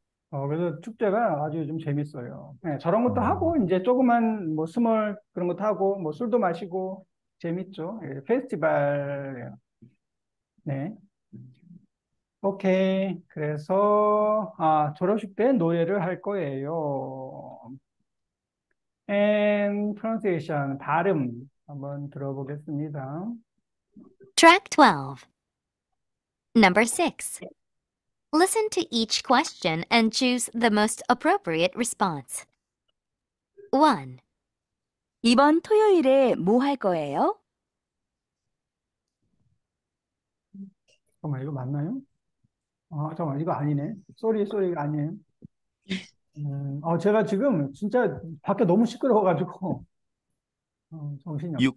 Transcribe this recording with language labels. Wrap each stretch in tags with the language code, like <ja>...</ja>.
<ko>그래서 축제가 아주 요즘 재밌어요. 네, 저런 것도 하고, 이제 조그만 뭐 스몰 그런 것도 하고, 뭐 술도 마시고, 재밌죠. 네, 페스티벌. 네. 오케이. 그래서, 졸업식 때 노래를 할 거예요.</ko> <en>And pronunciation, 발음.</en> <ko>한번 들어보겠습니다.</ko> <en>Track 12. Number 6. Listen to each question and choose the most appropriate response. 1.</en> <ko>이번 토요일에 뭐할 거예요? 잠깐만, 이거 맞나요? 잠깐만, 이거 아니네. 쏘리, 이거 아니에요. 제가 지금 진짜 밖에 너무 시끄러워가지고, 정신이 없어.</ko>